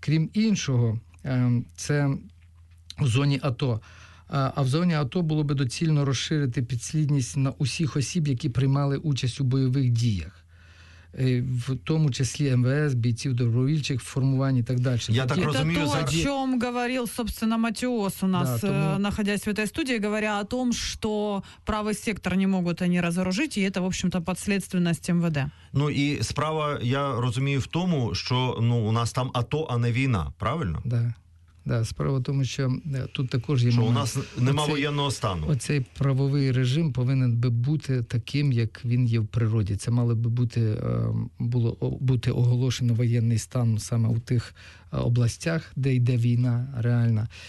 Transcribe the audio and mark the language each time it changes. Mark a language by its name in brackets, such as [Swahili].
[Ukrainian] Крім іншого, це в зоні АТО. А в зоні АТО було би доцільно розширити підслідність на усіх осіб, які приймали участь у бойових діях. В тому числі МВС, бійців добровільчих формувань і так далі. Я так розумію, [Russian] о чем говорил, собственно, Матіос у нас, находясь в этой студии, говоря о том, что правый сектор не могут они разоружить, и это, в общем-то, подследственность МВД. [Ukrainian] Ну і справа, я розумію, в тому, що, ну, у нас там АТО, а не війна, правильно? [Russian] Да. [Ukrainian] Да, справа в тому, що тут також є... Що у нас нема воєнного стану. Оцей правовий режим повинен би бути таким, як він є в природі. Це мало би бути, було бути оголошено воєнний стан саме у тих областях, де йде війна реальна.